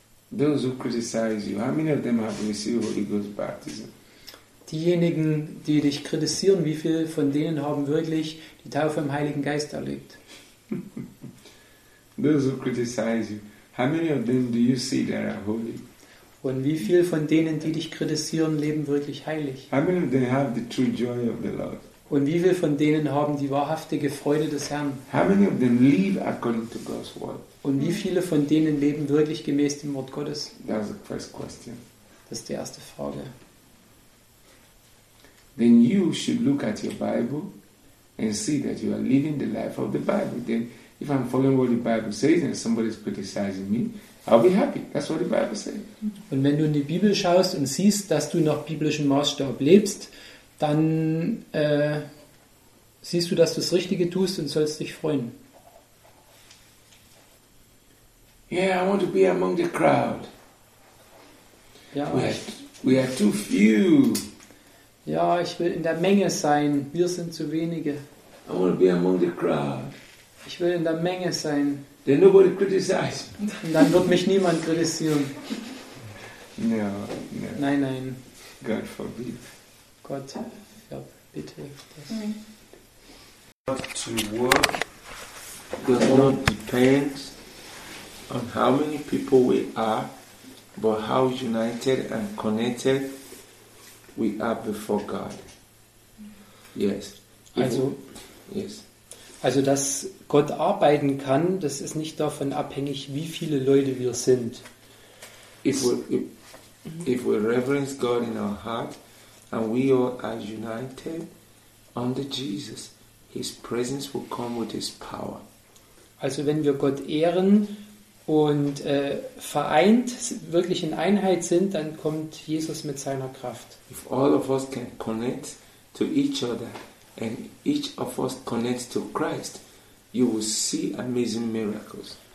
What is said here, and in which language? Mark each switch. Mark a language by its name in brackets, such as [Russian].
[English] Those who criticize you, how many of them have received Holy Ghost baptism? [German] Diejenigen, die dich kritisieren, wie viele von denen haben wirklich die Taufe im Heiligen Geist erlebt? [English] Those who criticize you, how many of them do you see that are holy? [German] Und wie viele von denen, die dich kritisieren, leben wirklich heilig? [English] How many of them have the true joy of the Lord? [German] Und wie viele von denen haben die wahrhaftige Freude des Herrn? [English] How many of them live according to God's word? [German] Und wie viele von denen leben wirklich gemäß dem Wort Gottes? [English] That's the first question. [German] Das ist die erste Frage. [English] Then you should look at your Bible and see that you are living the life of the Bible. Then if I'm following what the Bible says and somebody is criticizing me, I'll be happy. That's what the Bible says. [German] Und wenn du in die Bibel schaust und siehst, dass du nach biblischem Maßstab lebst, dann siehst du, dass du das Richtige tust und sollst dich freuen. [English] Yeah, I want to be among the crowd. [German] Ja, [English] we are too few. [German] Ja, ich will in der Menge sein. Wir sind zu wenige. [English] I want to be among the crowd. [German] Ich will in der Menge sein. [English] Then nobody criticizes. [German] Und dann wird mich niemand kritisieren. [English] No, no. [German] Nein, nein. [English] God forbid. [German] Gott, ja, bitte. Das. [English] Not to work does not depend on how many people we are, but how united and connected we are before God. Yes. [German] Also, [English] yes. [German] Also, dass Gott arbeiten kann, das ist nicht davon abhängig, wie viele Leute wir sind. [English] If we reverence God in our heart and we all are united under Jesus, His presence will come with His power. [German] Also, wenn wir Gott ehren und vereint, wirklich in Einheit sind, dann kommt Jesus mit seiner Kraft. [English] If all of us can connect to each other and each of us connects to Christ, you will see amazing miracles.